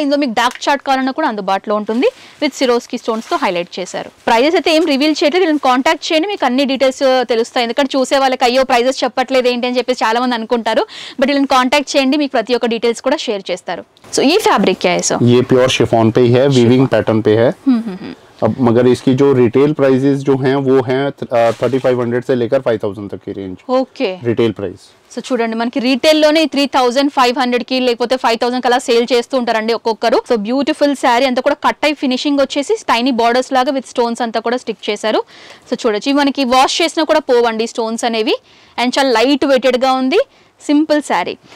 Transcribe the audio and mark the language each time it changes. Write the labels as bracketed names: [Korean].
[Telugu] ఇందులో మీకు dark short కావాలన్నా కూడా అందుబాటులో ఉంటుంది. విత్ సిరోస్కీ స్టోన్స్ తో హైలైట్ చేశారు. ప్రైజెస్ అయితే ఏం రివీల్ చేయట్లేదు. నేను కాంటాక్ట్ చేయండి, మీకు అన్ని డీటెయిల్స్ తెలుస్తాయి. ఎందుకంటే చూసే వాళ్ళకి అయ్యో ప్రైజెస్ చెప్పట్లేదు ఏంటి అని చెప్పేసి చాలా మంది అనుకుంటారు. బట్ ఇలా కాంటాక్ట్ చేయండి, మీకు ప్రతి ఒక్క డీటెయిల్స్ కూడా షేర్ చేస్తారు. సో ఈ ఫ్యాబ్రిక్ ఏ సో? [Hindi] ఈ pure chiffon pay high, weaving pattern pay high. अब मगर इसकी जो रिटेल प्राइसेस जो हैं वो हैं 3500 से लेकर 5000 तक की range. Okay, retail price. [Telugu] So చూడండి మనకి రీటైల్ లోనే 3500 కి లేకపోతే 5000 కలా సేల్ చేస్తూ ఉంటారండి ఒక్కొక్కరు. So beautiful sari. అంతా కూడా కట్ అయి ఫినిషింగ్ వచ్చేసి టైనీ బోర్డర్స్ లాగా విత్ స్టోన్స్ అంతా కూడా స్టిక్ చేశారు. సో చూడొచ్చు మనకి వాష్ చేసినా కూడా పోవండి స్టోన్స్ అనేవి. అండ్ చాలా లైట్ వెయిటెడ్ గా ఉంది. సింపుల్ శారీ.